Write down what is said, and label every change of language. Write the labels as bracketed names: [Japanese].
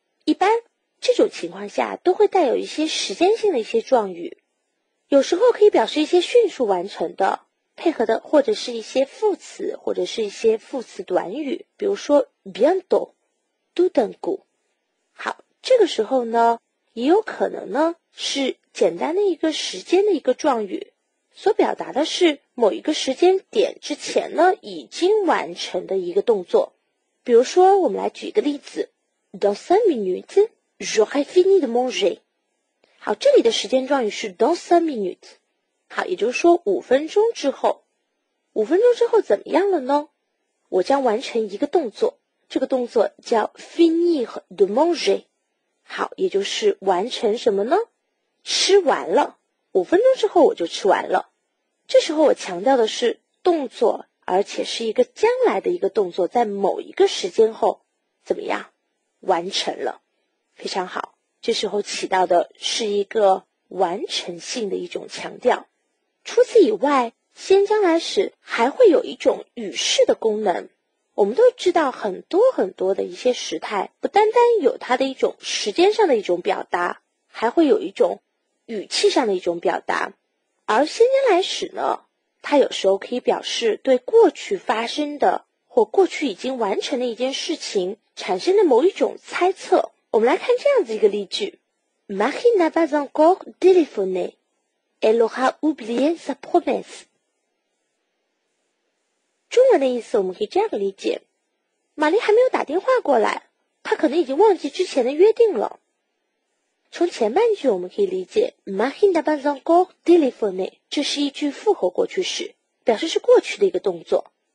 [Chinese] 一般这种情况下都会带有一些时间性的一些状语，有时候可以表示一些迅速完成的配合的，或者是一些副词，或者是一些副词短语，比如说 [French] bientôt, tout d'un coup。 [Chinese] 好，这个时候呢也有可能呢是简单的一个时间的一个状语，所表达的是某一个时间点之前呢已经完成的一个动作。比如说我们来举一个例子， [French] dans 5 minutes j'aurai fini de manger。 [Chinese] 好，这里的时间状语是 [French] dans 5 minutes。 [Chinese] 好，也就是说五分钟之后，五分钟之后怎么样了呢？我将完成一个动作，这个动作叫 [French] finir de manger。 [Chinese] 好，也就是完成什么呢？吃完了，五分钟之后我就吃完了。这时候我强调的是动作，而且是一个将来的一个动作，在某一个时间后怎么样完成了。非常好，这时候起到的是一个完成性的一种强调。除此以外，先将来时还会有一种语势的功能。我们都知道很多很多的一些时态不单单有它的一种时间上的一种表达，还会有一种语气上的一种表达。而先将来时呢，它有时候可以表示对过去发生的或过去已经完成的一件事情产生的某一种猜测。我们来看这样子一个例句。 [French] Marie n'a pas encore téléphoné. Elle aura oublié sa promesse. [Chinese] 中文的意思我们可以这样理解：玛丽还没有打电话过来，她可能已经忘记之前的约定了。从前半句我们可以理解 [French] Marie n'a pas encore téléphoné. [Chinese] 这是一句复合过去式，表示是过去的一个动作。